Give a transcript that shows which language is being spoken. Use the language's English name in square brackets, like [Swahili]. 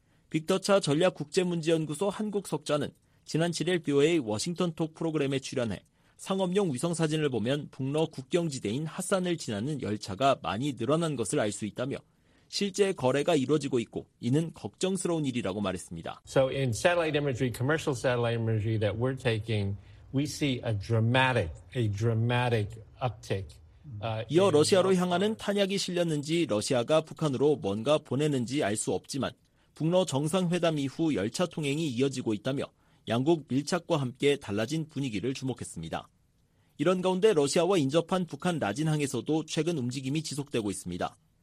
[Korean] 빅터차 전략국제문제연구소 한국석좌는 지난 7일 BOA 워싱턴톡 프로그램에 출연해 상업용 위성사진을 보면 북러 국경지대인 핫산을 지나는 열차가 많이 늘어난 것을 알 수 있다며 실제 거래가 이루어지고 있고 이는 걱정스러운 일이라고 말했습니다. [English] So in satellite imagery, commercial satellite imagery that we're taking, we see a dramatic uptick. [Korean] 이어 러시아로 향하는 탄약이 실렸는지 러시아가 북한으로 뭔가 보내는지 알 수 없지만 북러 정상회담 이후 열차 통행이 이어지고 있다며 양국 밀착과 함께 달라진 분위기를 주목했습니다. 이런 가운데 러시아와 인접한 북한 라진항에서도 최근 움직임이 지속되고 있습니다.